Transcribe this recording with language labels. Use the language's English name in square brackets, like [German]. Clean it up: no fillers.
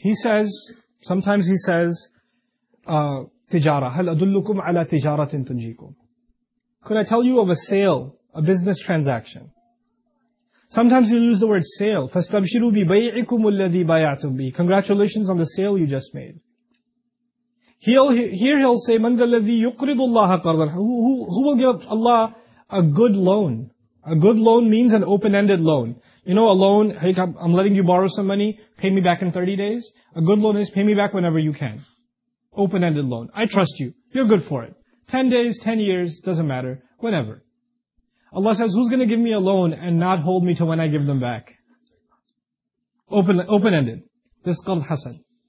[English] He says, sometimes He says, [Arabic] tijara, hal adullukum ala tijaratin tunjikum. [English] Could I tell you of a sale, a business transaction? Sometimes you use the word sale. [Arabic] فَاسْتَبْشِرُوا بِبَيْعِكُمُ الَّذِي بَيَعْتُمْ بِهِ. [English] Congratulations on the sale you just made. He'll say, [Arabic] مَنْ الَّذِي يُقْرِضُ اللَّهَ قَرْضًا. [English] Who will give Allah a good loan? A good loan means an open-ended loan. You know, a loan, hey, I'm letting you borrow some money, pay me back in 30 days. A good loan is pay me back whenever you can. Open-ended loan. I trust you. You're good for it. 10 days, 10 years, doesn't matter. Whenever. Allah says, who's going to give me a loan and not hold me to when I give them back? Open-ended. This qard hasan.